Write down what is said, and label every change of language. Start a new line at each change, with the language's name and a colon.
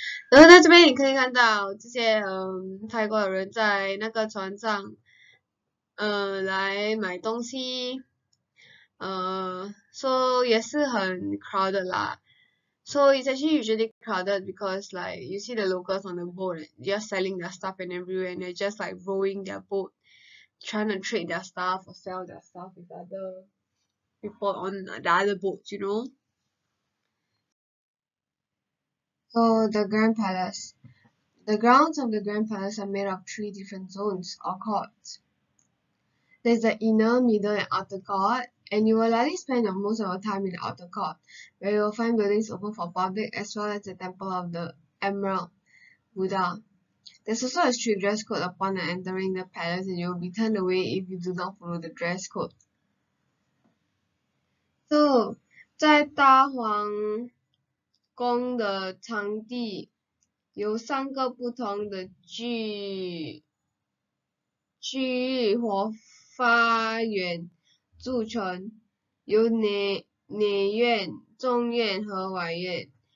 Chinese: 然后在这边你可以看到这些泰国人在那个船上。来买东西，
English: so
Chinese: 也是很 crowded 啦，
English: so it's actually usually crowded because like you see the locals on the boat, they're selling their stuff and everywhere, and they're just like rowing their boat, trying to trade their stuff or sell their stuff with other people on the other boats, you know? So the Grand Palace, the grounds of the Grand Palace are made of 3 different zones or courts. There's the inner, middle, and outer court, and you will likely spend most of your time in the outer court, where you will find buildings open for public as well as the Temple of the Emerald Buddha. There's also a strict dress code upon entering the palace, and you will be turned away if you do not follow the dress code.
Chinese: So, 在大皇宫的场地有3个不同的区域或发源组成，有内院、中院和外院。